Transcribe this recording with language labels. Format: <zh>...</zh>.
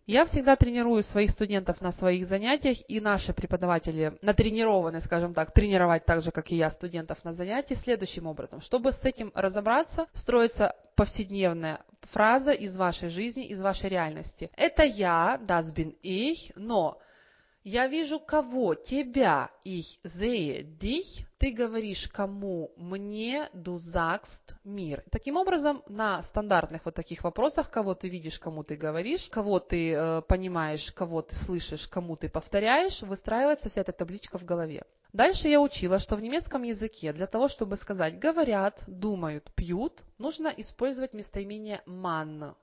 <ru>Я всегда тренирую своих студентов на своих занятиях, и наши преподаватели натренированы, скажем так, тренировать так же, как и я, студентов на занятии следующим образом. Чтобы с этим разобраться, строится повседневная фраза из вашей жизни, из вашей реальности. Это я,</ru> <de>das bin ich,</de> <ru>но я вижу кого? Тебя,</ru> <de>ich sehe dich,</de> <ru>ты говоришь кому? Мне,</ru> <de>du sagst mir.</de> <ru>Таким образом, на стандартных вот таких вопросах, кого ты видишь, кому ты говоришь, кого ты понимаешь, кого ты слышишь, кому ты повторяешь, выстраивается вся эта табличка в голове. Дальше я учила, что в немецком языке для того, чтобы сказать «говорят», «думают», «пьют», нужно использовать местоимение «man».</ru>